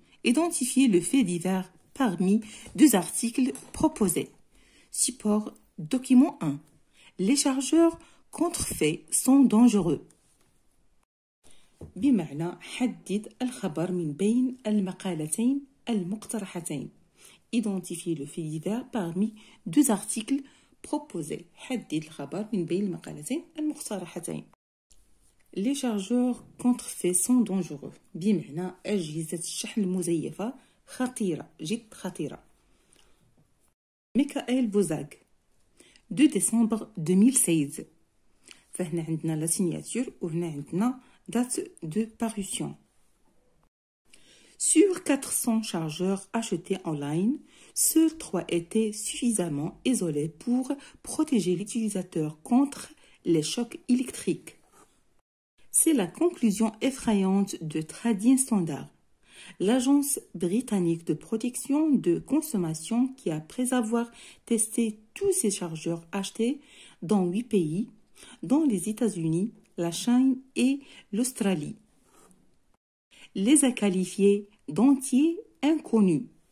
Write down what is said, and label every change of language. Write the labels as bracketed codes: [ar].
[fr] Identifier le fait divers parmi deux articles proposés. Support. Document 1. Les chargeurs contrefaits sont dangereux. [ar] بمعنى حدد الخبر من بين المقالتين المقترحتين. [fr] Identifier le fait divers parmi deux articles proposés. [ar] حدد الخبر من بين المقالتين المقترحتين. [fr] Les chargeurs contrefaits sont dangereux. [ar] بمعنى أجهزة الشحن المزيفة خطيرة جد خطيرة. ميكائيل بوزاغ 2 décembre 2016. فهنا عندنا لا سيناتور وهنا عندنا دات دو باريسيون. [fr] Sur 400 chargeurs achetés en ligne, seuls 3 étaient suffisamment isolés pour protéger l'utilisateur contre les chocs électriques. C'est la conclusion effrayante de Trading Standard, l'agence britannique de protection de consommation qui, après avoir testé tous ses chargeurs achetés dans 8 pays, dont les États-Unis, la Chine et l'Australie, les a qualifiés d'entiers inconnus.